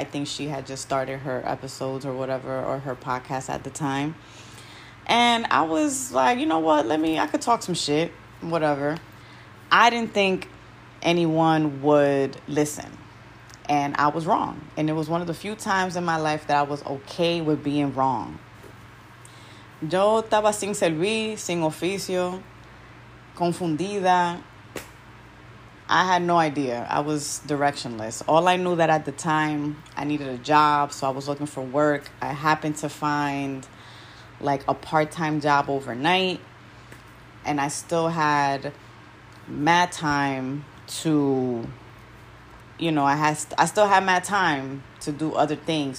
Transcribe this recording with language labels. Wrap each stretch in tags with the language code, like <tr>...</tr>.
<en>I think she had just started her episodes or whatever, or her podcast at the time. And I was like, you know what? I could talk some shit, whatever. I didn't think anyone would listen. And I was wrong. And it was one of the few times in my life that I was okay with being wrong.</en> <es>Yo estaba sin servir, sin oficio, confundida.</es> <en>I had no idea. I was directionless. All I knew that at the time, I needed a job. So I was looking for work. I happened to find like a part-time job overnight. And I still had mad time to, you know, I still had my time to do other things.</en>